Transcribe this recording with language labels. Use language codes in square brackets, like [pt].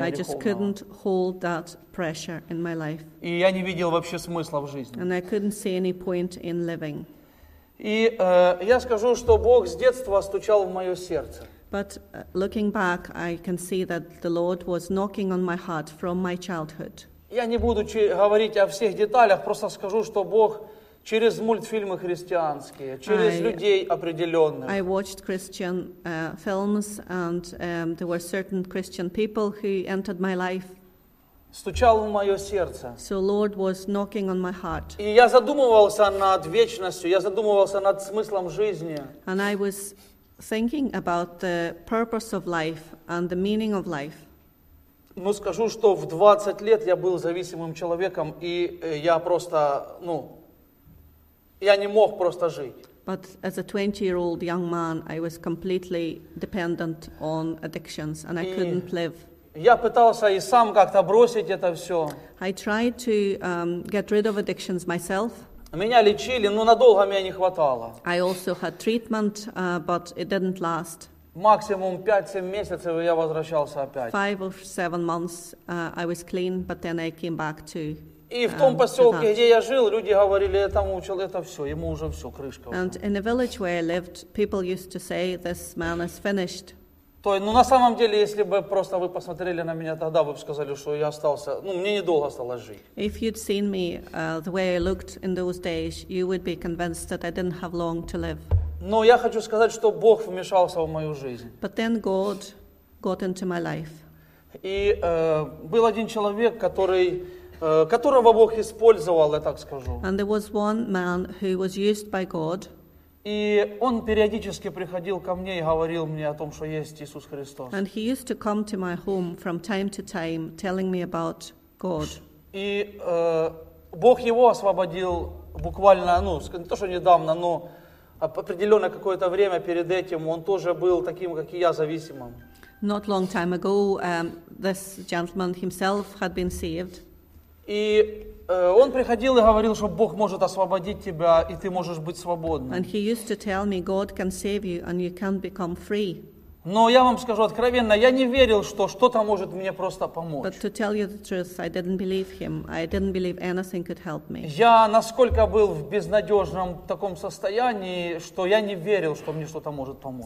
[en] I just couldn't hold that pressure in my life. [ru] И я не видел вообще смысла в жизни. [en] And I couldn't see any point in living. [ru] И я скажу, что Бог с детства стучал в мое сердце. [en] But looking back, I can see that the Lord was knocking on my heart from my childhood. [ru] Я не буду говорить о всех деталях, просто скажу, что Бог Через мультфильмы христианские, через людей определенных. [en] I watched Christian films, and there were certain Christian people who entered my life. [ru] Стучал в мое сердце. [en] So Lord was knocking on my heart. [ru] И я задумывался над вечностью, я задумывался над смыслом жизни. [en] And I was thinking about the purpose of life and the meaning of life. [ru] Ну, скажу, что в 20 лет я был зависимым человеком, и я просто, ну, я не мог просто жить. [en] But as a 20-year-old young man, I was completely dependent on addictions, and I couldn't live. [ru] Я пытался и сам как-то бросить это все. [en] I tried to get rid of addictions myself. [ru] Меня лечили, но надолго меня не хватало. [en] I also had treatment, but it didn't last. [ru] Максимум 5-7 месяцев, и я возвращался опять. [en] 5 or 7 months I was clean, but then I came back to. [ru] И в том поселке, где я жил, люди говорили, я там учил, это все, ему уже все, крышка. [en] And [ru] уже. [en] In the village where I lived, people used to say, this man is finished. [ru] То есть, ну на самом деле, если бы просто вы посмотрели на меня тогда, вы бы сказали, что я остался, ну мне недолго осталось жить. [en] If you'd seen me the way I looked in those days, you would be convinced that I didn't have long to live. [ru] Но я хочу сказать, что Бог вмешался в мою жизнь. [en] But then God got into my life. [ru] И был один человек, который, которого Бог использовал, я так скажу. [en] And there was one man who was used by God. [ru] И он периодически приходил ко мне и говорил мне о том, что есть Иисус Христос. [en] And he used to come to my home from time to time, telling me about God. [ru] И Бог его освободил буквально, ну, не то, что недавно, но определенное какое-то время перед этим он тоже был таким, как и я, зависимым. [en] Not long time ago, this gentleman himself had been saved. [ru] И он приходил и говорил, что Бог может освободить тебя, и ты можешь быть свободным. [en] And he used to tell me, God can save you, and you can become free. [ru] Но я вам скажу откровенно, я не верил, что что-то может мне просто помочь. [en] But to tell you the truth, I didn't believe him. I didn't believe anything could help me. [ru] Я насколько был в безнадежном таком состоянии, что я не верил, что мне что-то может помочь.